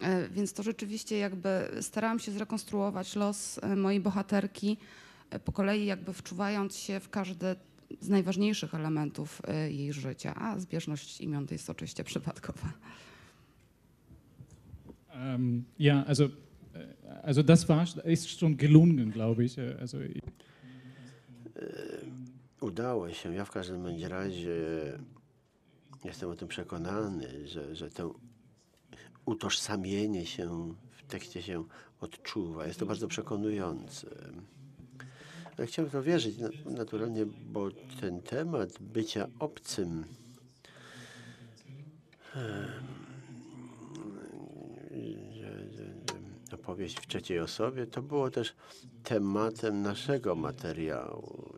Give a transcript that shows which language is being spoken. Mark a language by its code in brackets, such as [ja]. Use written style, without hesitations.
[pl] Więc to rzeczywiście jakby starałam się zrekonstruować los mojej bohaterki po kolei, jakby wczuwając się w każde z najważniejszych elementów jej życia, a zbieżność imion to jest oczywiście przypadkowa. [de] Also das war ist schon gelungen, glaube ich. Also [pl] udało się. Ja w każdym razie jestem o tym przekonany, że to utożsamienie się w tekście się odczuwa. Jest to bardzo przekonujące. Ja chciałem w to wierzyć naturalnie, bo ten temat bycia obcym opowieść w trzeciej osobie, to było też tematem naszego materiału.